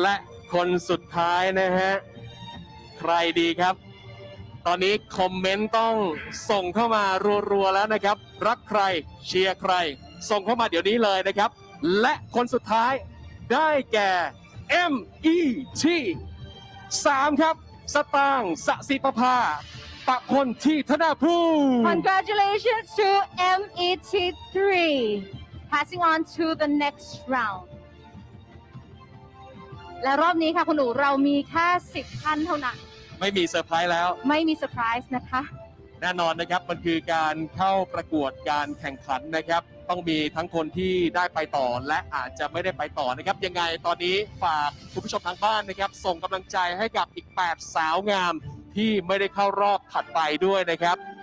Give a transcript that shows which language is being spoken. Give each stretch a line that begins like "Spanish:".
Thai: และคนสุดท้ายนะฮะใครดีครับตอนนี้คอมเมนต์ต้องส่งเข้ามารัวๆแล้วนะครับรักใครเชียร์ใครส่งเข้ามาเดี๋ยวนี้เลยนะครับและคนสุดท้ายได้แก่ MET 3ครับสตางค์สศิประภาปะคนที่ธนาภู
English: Congratulations to MET 3Passing on to the next round.
Thai: และรอบนี้ค่ะคุณหนูเรามีแค่10ท่านเท่านั้ น ไม่มีเซอร์ไพรส์แล้ว ไม่มีเซอร์ไพรส์นะคะ แน่นอนนะครับมันคือการเข้าประกวดการแข่งขันนะครับต้องมีทั้งคนที่ได้ไปต่อและอาจจะไม่ได้ไปต่อนะครับยังไงตอนนี้ฝากคุณผู้ชมทางบ้านนะครับส่งกำลังใจให้กับอีก8สาวงามที่ไม่ได้เข้ารอบถัดไปด้วยนะครับ